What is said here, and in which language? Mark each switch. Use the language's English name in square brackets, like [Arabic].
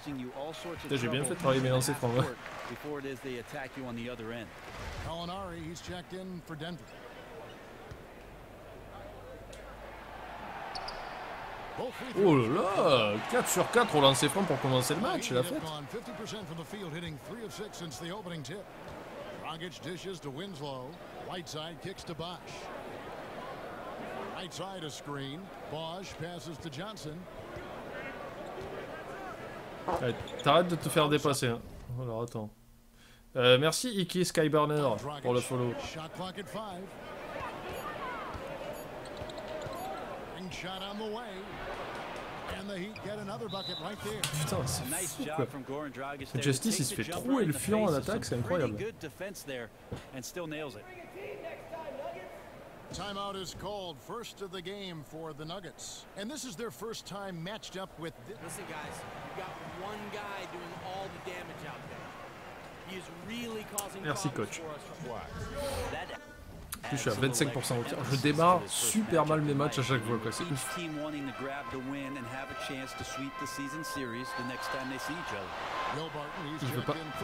[French] Putain, j'ai bien fait de travailler mes lancers francs, ouais. [English] Calinari, he's checked in for Denver. [French] Oh là là, 4 sur 4 au lancer franc pour commencer le match, la fête. [English] 50% from the field, hitting 3 of 6 since the opening tip. Rogic dishes to Winslow, Whiteside kicks to Bosch. Right side a screen. Bosch passes to Johnson. [French] Hey, t'arrêtes de te faire dépasser. Hein. Alors attends. Merci Iki Skyburner pour le follow. [English] Shot clock at 5. And shot on the way. And the Heat get another bucket right there. [French] Putain, c'est fou, quoi. Justice, il se fait trouer le fion en attaque, c'est incroyable. [English] Good defense there and still nails it. Timeout is called, first of the game for the Nuggets. And this is their first time matched up with... Listen guys, you've got one guy doing all the damage out there. He is really causing [French] merci, [English] problems coach. For us. [French] Plus, je suis à 25% au tir. Je démarre super mal mes matchs à chaque fois, quoi. C'est ouf. [English] Team wanting to grab the win and have a chance to sweep the season series the next time they see each other.